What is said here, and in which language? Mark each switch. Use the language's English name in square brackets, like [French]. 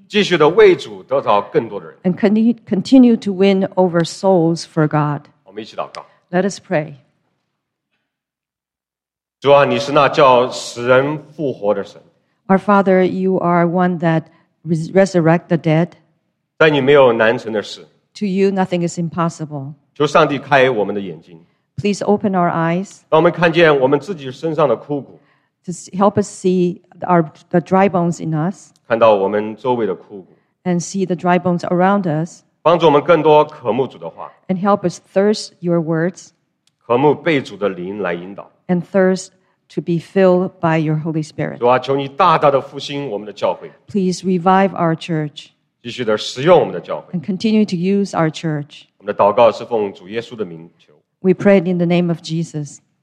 [Chinese] 继续的为主得着更多的人。 [English] And continue to win over souls for God. [Chinese] 我们一起祷告。 [English] Let us pray. [Chinese] 主啊，你是那叫死人复活的神。 [English] Our Father, you are one that resurrect the dead. [Chinese] 在你没有难成的事。 [English] To you, nothing is impossible. [Chinese] 求上帝开我们的眼睛。 [English] Please open our eyes. [Chinese] 让我们看见我们自己身上的枯骨。 [English] Just help us see the dry bones in us. [Chinese] 看到我们周围的枯骨。 [English] And see the dry bones around us. [Chinese] 帮助我们更多渴慕主的话。 [English] And help us thirst your words. [Chinese] 渴慕被主的灵来引导。 [English] And thirst to be filled by your Holy Spirit. [Chinese] 主啊，求你大大的复兴我们的教会。 [English] Please revive our church. [Chinese] 继续的使用我们的教会 [English] and continue to use our church. [Chinese] 我们的祷告是奉主耶稣的名求。 [English] We pray in the name of Jesus.